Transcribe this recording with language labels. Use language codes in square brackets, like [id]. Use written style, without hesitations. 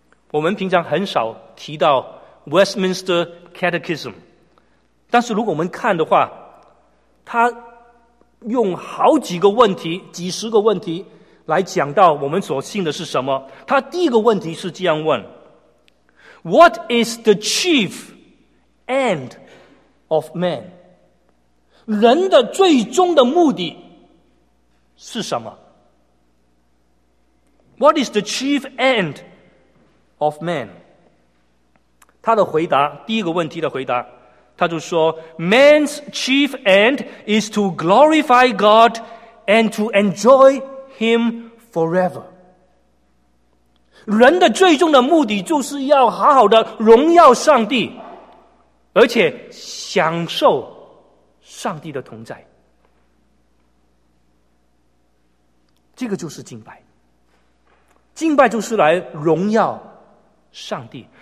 [zh] 我们平常很少提到 Westminster Catechism， 但是如果我们看的话，它用好几个问题，几十个问题来讲到我们所信的是什么。它第一个问题是这样问， [en] What is the chief end of man？ [zh] 人的最终的目的是什么？ [en] What is the chief end of man？ [zh] 他的回答，第一个问题的回答，他就说， [en] Man's chief end is to glorify God and to enjoy him forever。 [zh] 人的最终的目的就是要好好的荣耀上帝，而且享受上帝的同在。这个就是敬拜，敬拜就是来荣耀上帝。